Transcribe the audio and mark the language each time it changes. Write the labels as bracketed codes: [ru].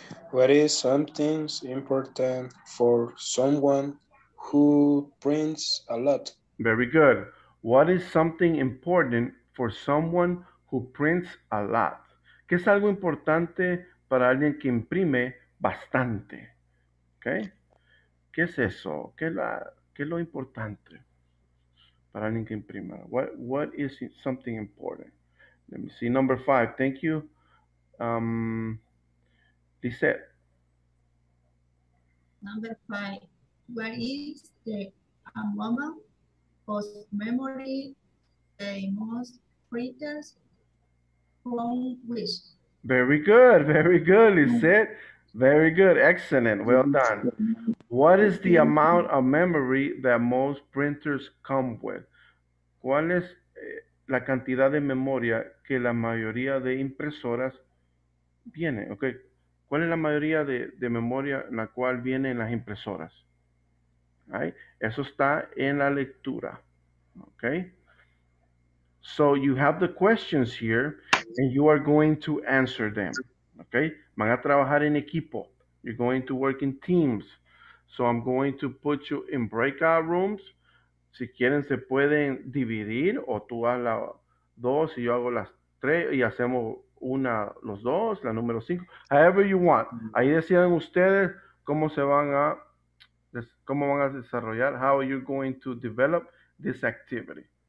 [en] What is something important for someone who prints a lot? Very good. What is something important for someone who prints a lot? [es] ¿Qué es algo importante para alguien que imprime bastante? Okay. ¿Qué es eso? ¿Qué es lo importante para alguien que imprima? [en] What is something important? Let me see. Number five. Thank you. Lisette. Number five. What is the moment whose memory the most printers from which? Very good. Very good, Lisette. Very good. Excellent. Well done. What is the amount of memory that most printers come with? [es] ¿Cuál es la cantidad de memoria que la mayoría de impresoras viene? Okay. ¿Cuál es la mayoría de memoria en la cual viene en las impresoras? Right. Eso está en la lectura. Okay. [en] So you have the questions here and you are going to answer them. Okay. [es] Van a trabajar en equipo. [en] You're going to work in teams. So I'm going to put you in breakout rooms. [es] Si quieren, se pueden dividir o tú haz la dos y yo hago las tres y hacemos una, los dos, la número cinco. [en] However you want. [es] Ahí deciden ustedes cómo se van a, cómo van a desarrollar, [en] how are you going to develop this activity.